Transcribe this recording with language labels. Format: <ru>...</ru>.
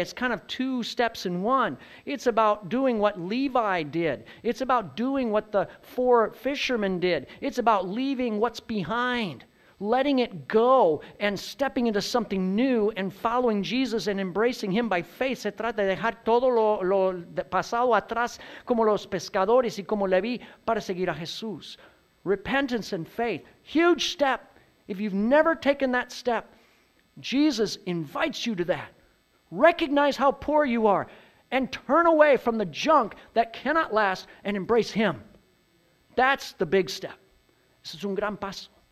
<en>it's kind of two steps in one. It's about doing what Levi did. It's about doing what the four fishermen did. It's about leaving what's behind, letting it go, and stepping into something new and following Jesus and embracing him by faith.</en> <es>Se trata de dejar todo lo pasado atrás como los pescadores y como Levi para seguir a Jesús.</es> <en>Repentance and faith, huge step. If you've never taken that step, Jesus invites you to that. Recognize how poor you are and turn away from the junk that cannot last and embrace him. That's the big step. This is</en> <es>un gran paso.</es>